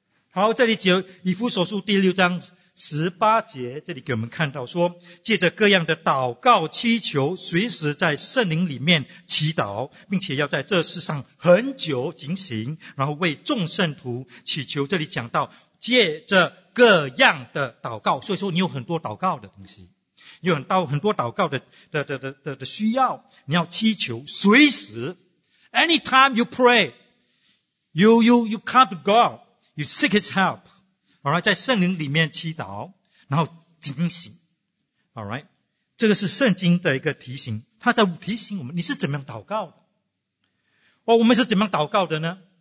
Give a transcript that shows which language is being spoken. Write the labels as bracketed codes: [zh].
[zh] 好，这里就以弗所书第六章十八节，这里给我们看到说，借着各样的祷告祈求，随时在圣灵里面祈祷，并且要在这世上恒久警醒，然后为众圣徒祈求。这里讲到借着各样的祷告，所以说你有很多祷告的东西，有很多祷告的需要，你要祈求随时。 [en] Anytime you pray, you come to God, you seek His help. [zh] Alright, 在圣灵里面祈祷，然后警醒。 Alright, 这个是圣经的一个提醒，他在提醒我们，你是怎么样祷告的？我们是怎么样祷告的呢？